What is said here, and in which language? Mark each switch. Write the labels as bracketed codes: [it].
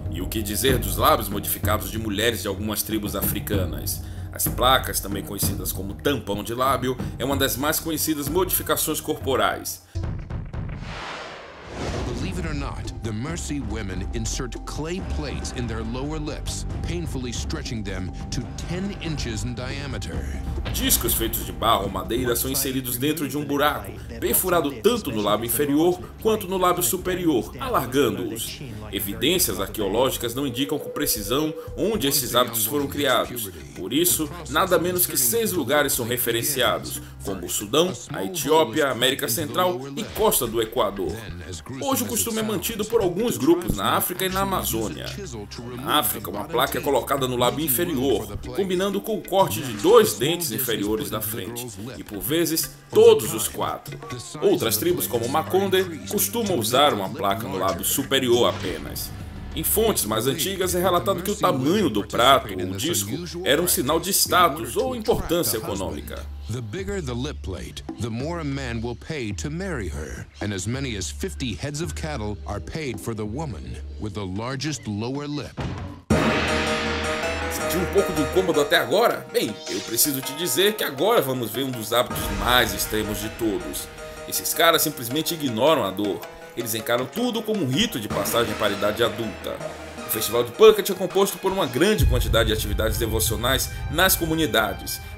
[pt] Que dizer dos lábios modificados de mulheres de algumas tribos africanas. As placas, também conhecidas como tampão de lábio, é uma das mais conhecidas modificações corporais. [en] Believe it or not, the Mercy women insert clay plates in their lower lips, painfully stretching them to 10 inches in diameter. [pt] Discos feitos de barro ou madeira são inseridos dentro de um buraco, perfurado tanto no lábio inferior quanto no lábio superior, alargando-os. Evidências arqueológicas não indicam com precisão onde esses hábitos foram criados. Por isso, nada menos que 6 lugares são referenciados, como o Sudão, a Etiópia, a América Central e costa do Equador. Hoje o costume é mantido por alguns grupos na África e na Amazônia. Na África, uma placa é colocada no lábio inferior, combinando com o corte de 2 dentes inferiores da frente, e por vezes, todos os 4. Outras tribos, como Makonde, costumam usar uma placa no lábio superior apenas. Em fontes mais antigas, é relatado que o tamanho do prato ou disco era um sinal de status ou importância econômica. [en] The bigger the lip plate, the more a man will pay to marry her. And as many as 50 heads of cattle are paid for the woman with the largest lower lip. [pt] De um pouco do cômodo até agora? Bem, eu preciso te dizer que agora vamos ver um dos hábitos mais extremos de todos. Esses caras simplesmente ignoram a dor. Eles encaram tudo como um rito de passagem para a idade adulta. O Festival de Punkett é composto por uma grande quantidade de atividades devocionais nas comunidades.